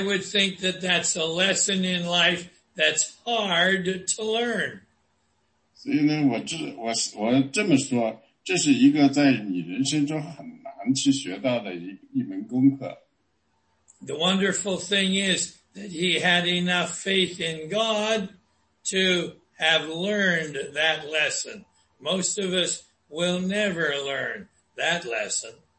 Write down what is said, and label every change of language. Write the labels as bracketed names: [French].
[English] would think that that's a lesson in life that's hard to learn. [Chinese] 所以呢，我这么说，这是一个在你人生中很难去学到的一门功课。 [English] The wonderful thing is that he had enough faith in God to have learned that lesson. Most of us will never learn that lesson.